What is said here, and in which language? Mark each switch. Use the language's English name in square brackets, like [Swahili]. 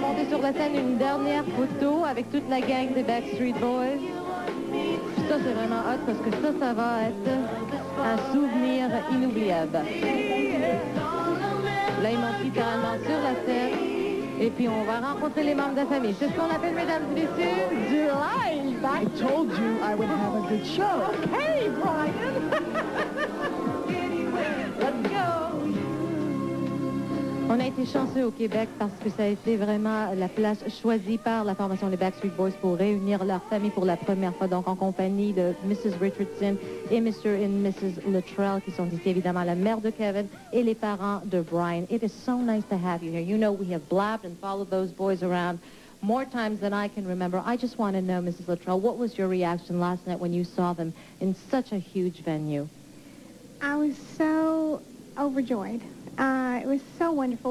[French] Sur la scène, une dernière photo avec toute la gang des Backstreet Boys. Puis ça, c'est vraiment hot parce que ça, ça va être un souvenir inoubliable. Là, ils montent littéralement sur la scène et puis on va rencontrer les membres de la famille. C'est ce qu'on appelle, mesdames et messieurs, du live. [English] I told you I would have a good show. Okay, Brian. [French] On a été chanceux au Québec parce que ça a été vraiment la place choisie par la formation des Backstreet Boys pour réunir leur famille pour la première fois, donc en compagnie de Mrs. Richardson et Mr. and Mrs. Luttrell, qui sont ici évidemment la mère de Kevin et les parents de Brian. [English] It is so nice to have you here. You know, we have blabbed and followed those boys around more times than I can remember. I just want to know, Mrs. Luttrell, what was your reaction last night when you saw them in such a huge venue? I was so overjoyed. It was so wonderful.